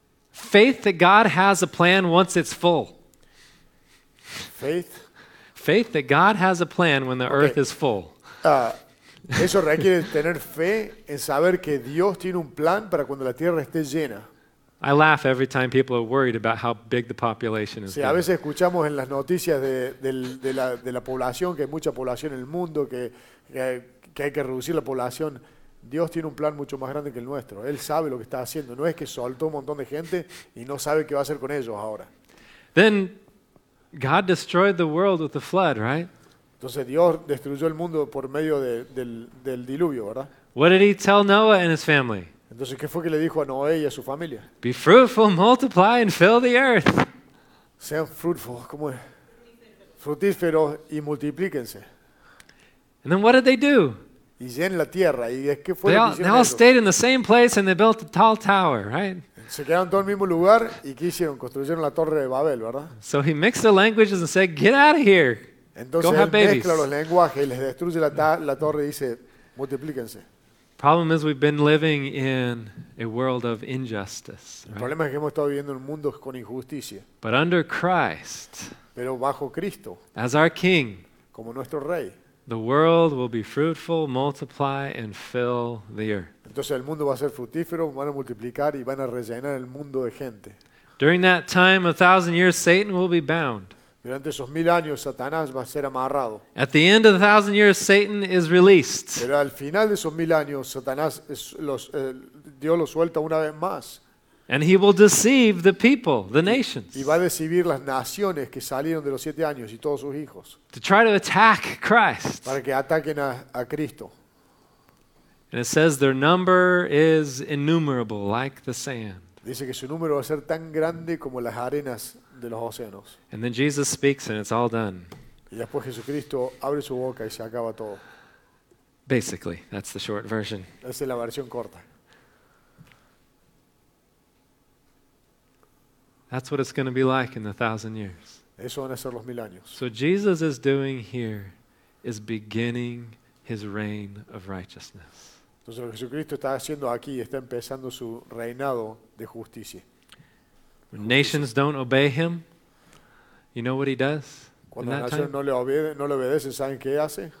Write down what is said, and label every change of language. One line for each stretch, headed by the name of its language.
English: Faith that God has a plan once it's full. Faith. Faith that God has a plan when the earth is full.
Spanish: Eso requiere tener fe en saber que Dios tiene un plan para cuando la tierra esté llena.
English: I laugh every time people are worried about how big the population is.
Spanish: Sí, a veces escuchamos en las noticias de la población que hay mucha población en el mundo que hay que reducir la población. Dios tiene un plan mucho más grande que el nuestro. Él sabe lo que está haciendo. No es que soltó un montón de gente y no sabe qué va a hacer con ellos ahora.
English: Then God destroyed the world with the flood, right?
Spanish: Entonces Dios destruyó el mundo por medio del diluvio, ¿verdad?
English: What did he tell Noah and his family?
Spanish: Entonces, ¿qué fue que le dijo a Noé y a su familia?
English: Be fruitful, multiply, and fill the earth.
Spanish: Sean fruitful, ¿cómo es? Frutíferos y multiplíquense.
English: And then what did they do?
Spanish: Y llenen la tierra. ¿Y qué fue lo que hicieron?
English: They all stayed in the same place and they built a tall tower, right?
Spanish: Se quedaron todos en el mismo lugar y ¿qué hicieron? Construyeron la torre de Babel, ¿verdad?
English: So he mixed the languages and said, get out of here.
Spanish: Entonces
English: go have
Spanish: él mezcla los lenguajes y les destruye la torre y dice, multiplíquense.
English: Problem is we've been living in a world of injustice.
Spanish: El problema es que hemos estado viviendo en un mundo con injusticia.
English: But under Christ,
Spanish: pero bajo Cristo,
English: as our King,
Spanish: como nuestro Rey,
English: the world will be fruitful, multiply, and fill the earth.
Spanish: Entonces el mundo va a ser fructífero, van a multiplicar y van a rellenar el mundo de gente.
English: During that time, 1,000 years, Satan will be bound.
Spanish: Durante esos mil años, Satanás va a ser amarrado.
English: At the end of 1,000 years, Satan is released.
Spanish: Pero al final de esos mil años, Satanás Dios lo suelta una vez más.
English: And he will deceive the people, the nations.
Spanish: Y va a deceivir las naciones que salieron de los siete años y todos sus hijos.
English: To try to attack Christ.
Spanish: Para que ataquen a Cristo.
English: And it says their number is innumerable, like the sand.
Spanish: Dice que su número va a ser tan grande como las arenas de los océanos.
English: And then Jesus speaks and it's all done.
Spanish: Y después Jesucristo abre su boca y se acaba todo.
English: Basically, that's the short version.
Spanish: Esa es la versión corta.
English: That's what it's going to be like in 1,000 years.
Spanish: Eso van a ser los mil años.
English: So Jesus is doing here is beginning his reign of righteousness.
Spanish: Entonces lo que Jesucristo está haciendo aquí está empezando su reinado de justicia.
English: When nations don't obey him, you know what he does?
Spanish: Cuando las naciones no le obedecen, ¿saben qué hace?